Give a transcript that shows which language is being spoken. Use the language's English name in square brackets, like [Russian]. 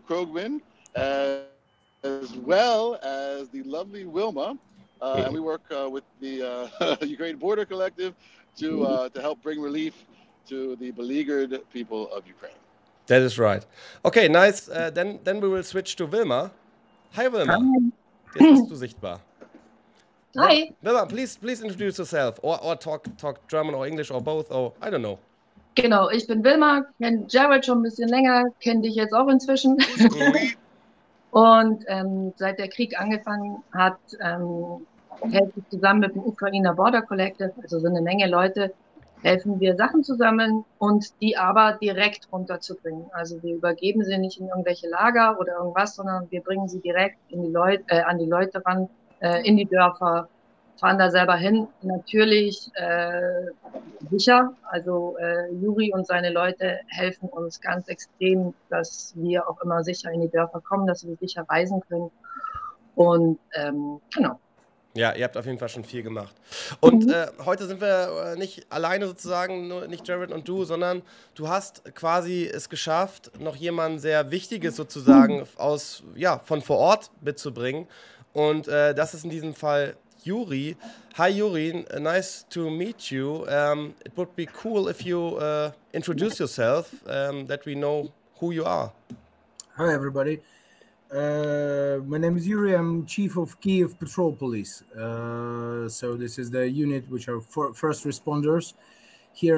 [English] Krogman, as well as the lovely Wilma, and we work with the Ukraine Border Collective to help bring relief to the beleaguered people of Ukraine. That is right. Okay, nice. Then we will switch to Wilma. Hi, Wilma. Hi. [German] Jetzt bist du sichtbar. [English] Hi. Wilma, please introduce yourself or talk German or English or both or I don't know. [German] Genau, ich bin Wilma, kenne Jared schon ein bisschen länger, kenne dich jetzt auch inzwischen. Und seit der Krieg angefangen hat, helfe ich zusammen mit dem Ukrainer Border Collective, also so eine Menge Leute, helfen wir Sachen zu sammeln und die aber direkt runterzubringen. Also wir übergeben sie nicht in irgendwelche Lager oder irgendwas, sondern wir bringen sie direkt an die Leute ran, in die Dörfer. Fahren da selber hin, natürlich sicher, also Juri und seine Leute helfen uns ganz extrem, dass wir auch immer sicher in die Dörfer kommen, dass wir sicher reisen können und genau. Ja, ihr habt auf jeden Fall schon viel gemacht. Und heute sind wir nicht alleine sozusagen, nur nicht Jared und du, sondern du hast quasi es geschafft, noch jemanden sehr Wichtiges sozusagen aus, ja, von vor Ort mitzubringen und das ist in diesem Fall Juri. [English] Hi Juri, nice to meet you. It would be cool if you introduce yourself, that we know who you are. Hi everybody. My name is Juri. I'm chief of Kyiv Patrol Police. So this is the unit which are first responders here.